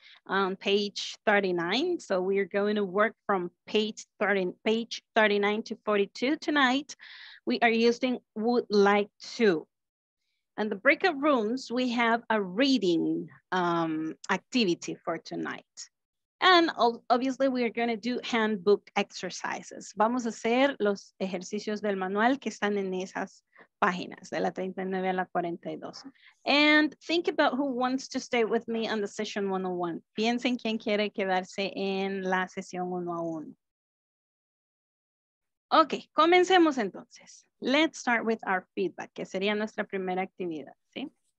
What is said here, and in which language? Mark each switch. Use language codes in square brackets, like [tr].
[en] On page 39. So we are going to work from page 39 to 42 tonight. We are using would like to. And the breakout rooms, we have a reading activity for tonight. And obviously we are going to do handbook exercises. [es] Vamos a hacer los ejercicios del manual que están en esas páginas, de la 39 a la 42. [en] And think about who wants to stay with me on the session 101. [es] Piensen quién quiere quedarse en la sesión 101. Okay, comencemos entonces. [en] Let's start with our feedback, [es] que sería nuestra primera actividad, ¿sí?